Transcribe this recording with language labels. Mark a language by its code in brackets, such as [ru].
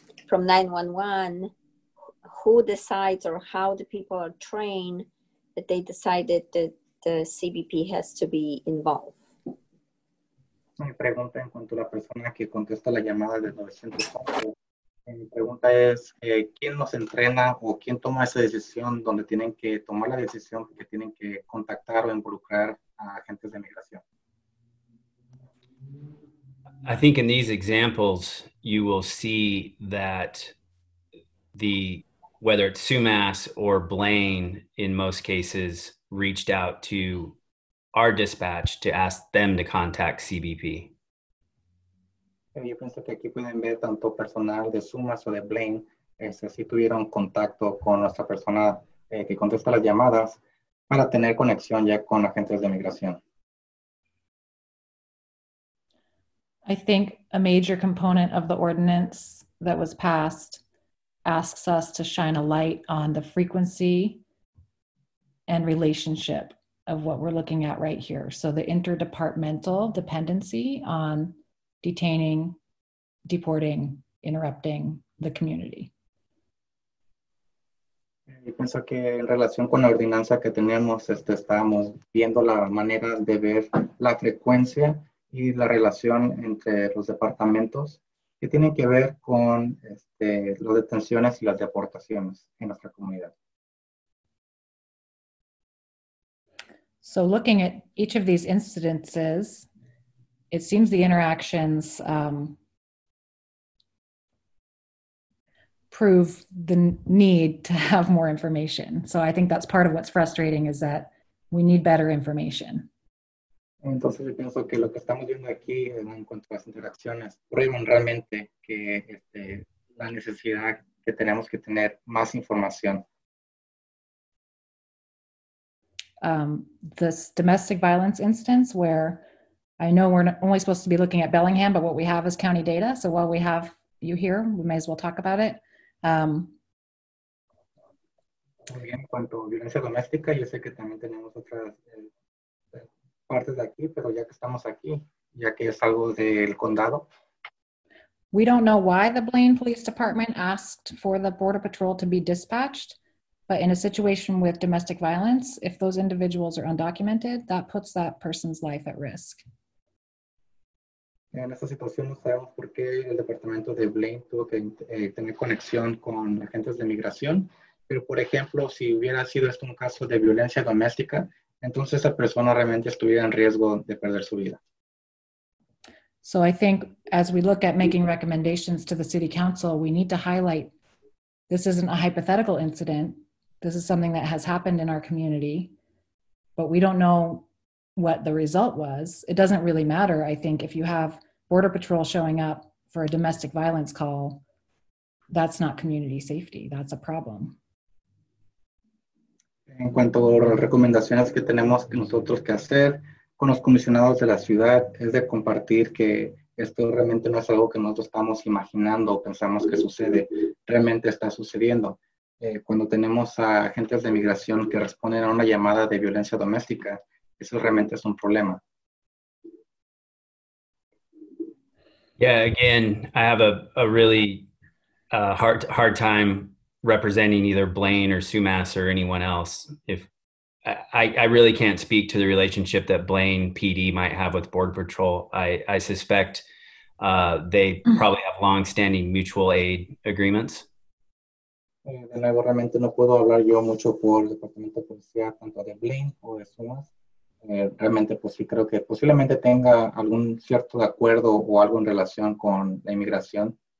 [en] from 911, who decides or how the people are trained that they decided that the CBP has to be involved? [es] Mi pregunta en cuanto a la persona que contesta la llamada de 911. Mi pregunta es, ¿quién nos entrena o quién toma esa decisión donde tienen que tomar la decisión que tienen que contactar o involucrar a agentes de migración? [en] I think in these examples, you will see that the whether it's Sumas or Blaine, in most cases, reached out to our dispatch to ask them to contact CBP. [es] Yo pienso que aquí pueden ver tanto personal de Sumas o de Blaine, si tuvieron contacto con nuestra persona que contesta las llamadas para tener conexión ya con agentes de migración. [en] I think a major component of the ordinance that was passed asks us to shine a light on the frequency and relationship of what we're looking at right here. So the interdepartmental dependency on detaining, deporting, interrupting the community. [es] Yo pienso que en relación con la ordenanza que tenemos, estamos viendo la manera de ver la frecuencia y la relación entre los departamentos que tienen que ver con las detenciones y las deportaciones en nuestra comunidad. [en] So looking at each of these incidences, it seems the interactions prove the need to have more information. So I think that's part of what's frustrating is that we need better information. [es] Entonces, yo pienso que lo que estamos viendo aquí en cuanto a las interacciones prueban realmente que la necesidad que tenemos que tener más información. [en] This domestic violence instance where I know we're only supposed to be looking at Bellingham, but what we have is county data. So while we have you here, we may as well talk about it. [es] Muy bien, en cuanto a violencia doméstica, yo sé que también tenemos otras partes de aquí, pero ya que estamos aquí, ya que es algo del condado. [en] We don't know why the Blaine Police Department asked for the Border Patrol to be dispatched, but in a situation with domestic violence, if those individuals are undocumented, that puts that person's life at risk. [es] En esta situación no sabemos por qué el departamento de Blaine tuvo que tener conexión con agentes de migración, pero por ejemplo, si hubiera sido esto un caso de violencia doméstica, entonces esa persona realmente estuviera en riesgo de perder su vida. [en] So I think as we look at making recommendations to the city council, we need to highlight this isn't a hypothetical incident. This is something that has happened in our community, but we don't know what the result was. It doesn't really matter, I think, if you have Border Patrol showing up for a domestic violence call, that's not community safety. That's a problem. [es] En cuanto a las recomendaciones que tenemos que nosotros que hacer con los comisionados de la ciudad es de compartir que esto realmente no es algo que nosotros estamos imaginando o pensamos que sucede, realmente está sucediendo. Cuando tenemos a agentes de migración que responden a una llamada de violencia doméstica, eso realmente es un problema. [en] Yeah, again, I have a really hard time representing either Blaine or Sumas or anyone else. If I really can't speak to the relationship that Blaine PD might have with Border Patrol. I suspect they probably have long-standing mutual aid agreements. [es] De nuevo, realmente no puedo hablar yo mucho por el departamento de policía, tanto de Blaine o de Sumas. Realmente, pues sí, creo que posiblemente tenga algún cierto acuerdo o algo en relación con la inmigración.